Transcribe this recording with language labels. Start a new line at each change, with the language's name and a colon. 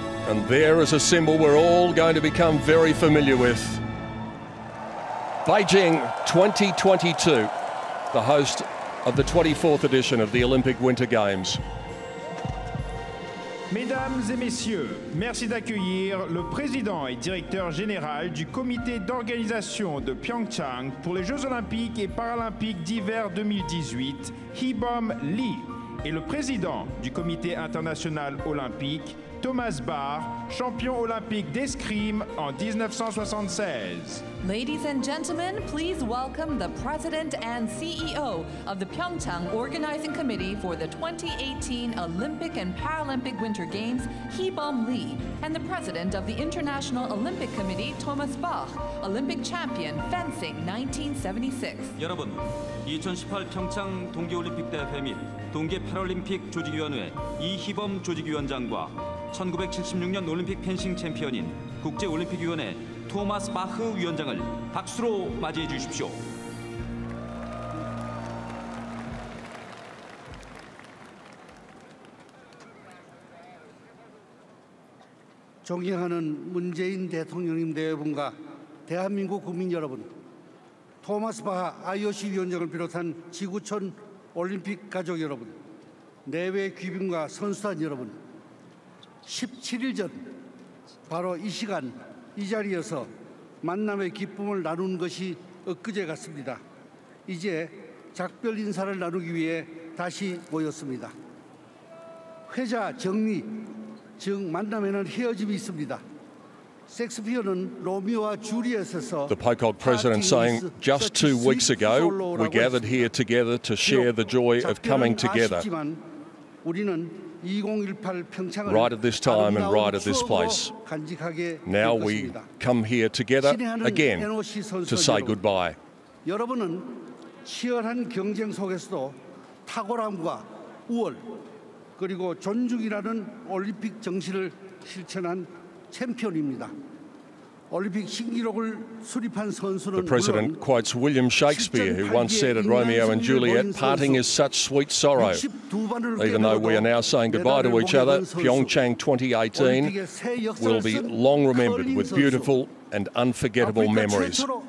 English: And there is a symbol we're all going to become very familiar with. Beijing 2022, the host of the 24th edition of the Olympic Winter Games.
French: Mesdames et messieurs, merci d'accueillir le président et directeur général du comité d'organisation de Pyeongchang pour les Jeux Olympiques et Paralympiques d'hiver 2018, Hee-bom Lee, et le président du comité international olympique, Thomas Barr, champion olympique d'escrime en 1976.
English: Ladies and gentlemen, please welcome the President and CEO of the Pyeongchang Organizing Committee for the 2018 Olympic and Paralympic Winter Games, Hee-bom Lee, and the President of the International Olympic Committee, Thomas Bach, Olympic champion fencing 1976.
Korean: 여러분, 2018 평창 동계올림픽 대회 및 동계 패럴림픽 조직위원회 이희범 조직위원장과 1976년 올림픽 펜싱 챔피언인 국제올림픽위원회 토마스 바흐 위원장을 박수로 맞이해 주십시오. (존경하는) 문재인 대통령님 대여분과 대한민국 국민 여러분, 토마스 바흐 IOC 위원장을 비롯한 지구촌 올림픽 가족 여러분, 내외 귀빈과 선수단 여러분, 17일 전 바로 이 시간 이 자리에서 만남의 기쁨을 나눈 것이 엊그제 같습니다. 이제 작별 인사를 나누기 위해 다시 모였습니다. 회자 정리, 즉 만남에는 헤어짐이 있습니다.
English: The Pocock president saying, just 2 weeks ago, we gathered here together to share the joy of coming together. Right at this time and right at this place. Now we come here together again to say goodbye.
Korean: 여러분은 치열한 경쟁 속에서도 탁월함과 우월 그리고 존중이라는 올림픽 정신을 실천한 챔피언입니다.
English: The president quotes William Shakespeare, who once said at Romeo and Juliet, parting is such sweet sorrow. Even though we are now saying goodbye to each other, Pyeongchang 2018 will be long remembered with beautiful and unforgettable memories.